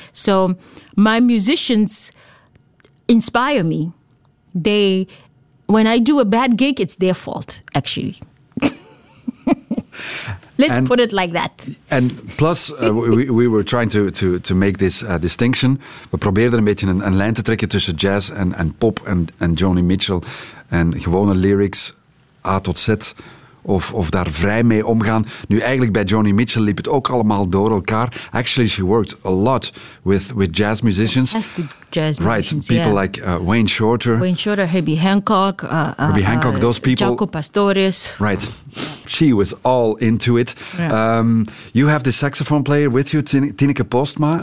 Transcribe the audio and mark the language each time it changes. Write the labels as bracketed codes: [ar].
[en] So my musicians inspire me. When I do a bad gig, it's their fault, actually. Let's put it like that. And plus, we were trying to make this distinction. [nl] We probeerden een beetje een lijn te trekken tussen jazz en pop en Joni Mitchell. En gewone lyrics, A tot Z, of daar vrij mee omgaan. Nu, eigenlijk bij Joni Mitchell liep het ook allemaal door elkaar. [en] Actually, she worked a lot with jazz musicians. People like Wayne Shorter. Wayne Shorter, Herbie Hancock. Herbie Hancock, those people. Jaco Pastorius. Right. She was all into it. Yeah. You have the saxophone player with you, Tineke Postma.